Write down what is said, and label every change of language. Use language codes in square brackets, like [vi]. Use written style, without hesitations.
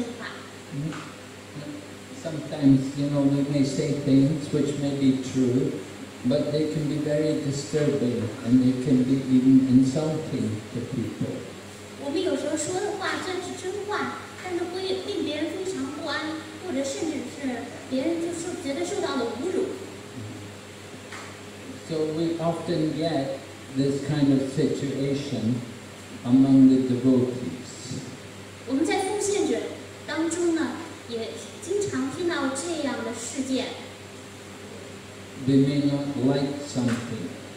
[zh] 然后圣帕巴德就向他们，给他们写信说，我感到非常抱歉，我的门徒们他们不懂礼节。当你说真话的时候，你讲真话的时候呢，应该讲宜人悦人的真话。 [en] Sometimes you know they may say things which may be true, but they can be very disturbing and they can be even insulting to people. [zh] 我们有时候说的话虽然是真话。 [en] So we often get this kind of situation among the devotees. We may not like something.